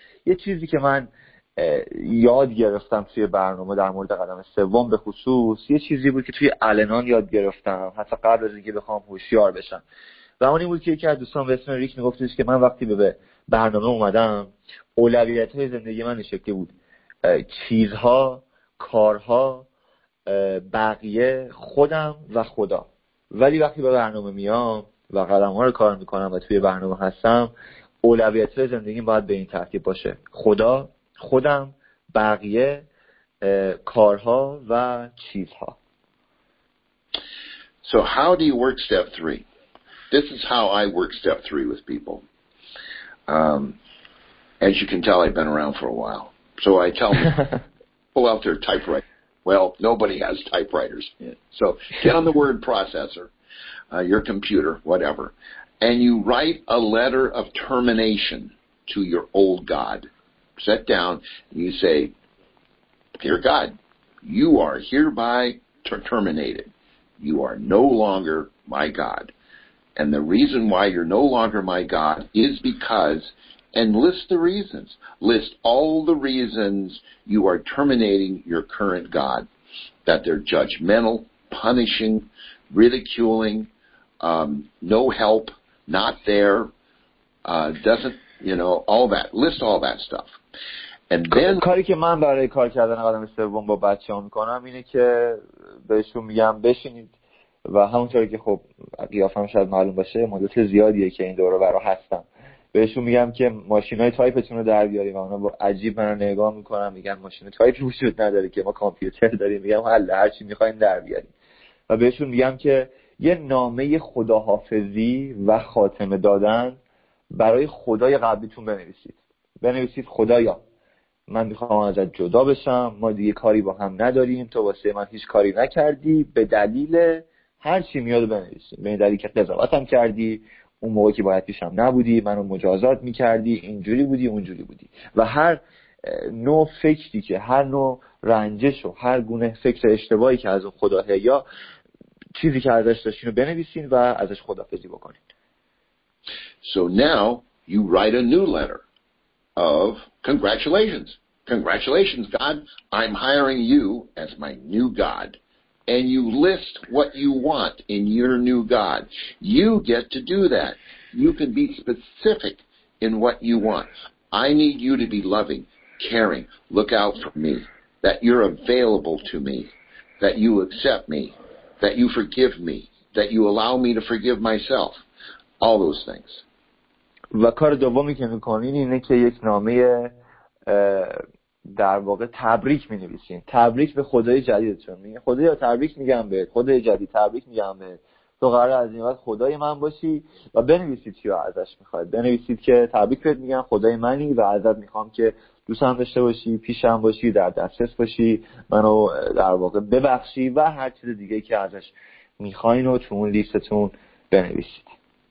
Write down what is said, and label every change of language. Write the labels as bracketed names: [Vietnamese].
[Persian] یه چیزی که من یاد گرفتم توی برنامه در مورد قدم سوم به خصوص، یه چیزی بود که توی آلنان یاد گرفتم حتی قبل از اینکه بخوام هوشیار بشم، و اون این بود که یکی از دوستان به اسم ریک میگفتش که من وقتی به برنامه اومدم اولویت های زندگی من شکلی بود، چیزها، کارها، بقیه، خودم و خدا. ولی وقتی به برنامه میام و قدم ها رو کار میکنم و توی برنامه هستم، اولویت های زندگیم باید به این ترتیب باشه: خدا، خودم، بقیه، کارها و چیزها. [English] So how do you work step three? This is how I work step three with people. As you can tell, I've been around for a while. So I tell them, pull out their typewriter. Well, nobody has typewriters. So get on the word processor, your computer, whatever, and you write a letter of termination to your old God. Sit down and you say, dear God, you are hereby terminated. You are no longer my God. And the reason why you're no longer my God is because, and list the reasons. List all the reasons you are terminating your current God, that they're judgmental, punishing, ridiculing, no help, not there, doesn't, you know, all that. List all that stuff. And then [Persian] کاری که من برای کار کردن قدم سوم با بچه‌ها می‌کنم اینه که بهشون میگم بشینید، و همونطوری که خب قیافم شاید معلوم باشه مدت زیادیه که این دوره برا هستم، بهشون میگم که ماشینای تایپتون رو در بیارید و اونا با عجیب منو نگاه می‌کنن، میگن ماشین تایپ وجود نداره که، ما کامپیوتر داریم. میگم حالا هر چی می‌خواید در بیارید، و بهشون میگم که یه نامه خداحافظی و خاتمه دادن برای خدای قبلیتون بنویسید. بنویسید خدایا من میخوام ازت جدا بشم، ما دیگه کاری با هم نداریم، تو واسه من هیچ کاری نکردی به دلیل هر چی میاد بنویسیم، به این دلیل که قضاوت هم کردی اون موقع که باید پیشم نبودی، منو مجازات میکردی، اینجوری بودی اونجوری بودی، و هر نوع فکری که هر نوع رنجش و هر گونه فکر اشتباهی که از خداه یا چیزی که ازش داشتین رو بنویسین و ازش خدافظی بکنین. [English] So now you write a new letter of congratulations. Congratulations, God, I'm hiring you as my new God. And you list what you want in your new God. You get to do that. You can be specific in what you want. I need you to be loving, caring, look out for me, that you're available to me, that you accept me, that you forgive me, that you allow me to forgive myself. All those things. [Persian] و کار دومی که میکنین اینه که یک نامه در واقع تبریک مینویسین، تبریک به خدای جدیدتون، میگه خدایا تبریک میگم بهت، خدای جدید تبریک میگم بهت، تو قرار از این بعد خدای من باشی، و بنویسید چی رو ازش میخواید، بنویسید که تبریک بهت میگم، خدای منی و ازت میخوام که دوستم داشته باشی، پیشم باشی، در دسترس باشی، منو در واقع ببخشی و هر چیز دیگه که ازش میخواین رو تو اون لیستتون بنویسید.